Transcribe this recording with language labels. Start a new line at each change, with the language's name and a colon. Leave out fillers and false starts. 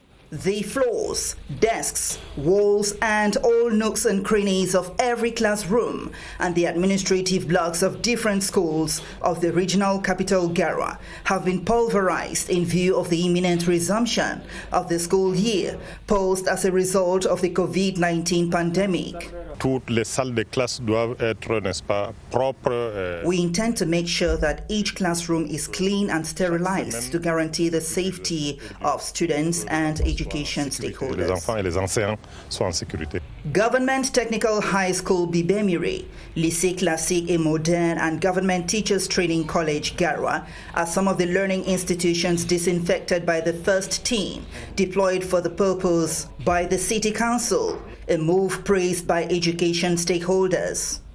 English: The floors, desks, walls and all nooks and crannies of every classroom and the administrative blocks of different schools of the regional capital Garwa have been pulverized in view of the imminent resumption of the school year posed as a result of the COVID-19 pandemic.
French: Toutes les salles de classe doivent être, n'est-ce pas, propres.
English: We intend to make sure that each classroom is clean and sterilized to guarantee the safety of students and education stakeholders.
French: Les enfants et les enseignants soient en sécurité.
English: Government Technical High School Bibemiri, Lycée Classique et Moderne and Government Teachers Training College Garwa are some of the learning institutions disinfected by the first team deployed for the purpose by the City Council, a move praised by education stakeholders.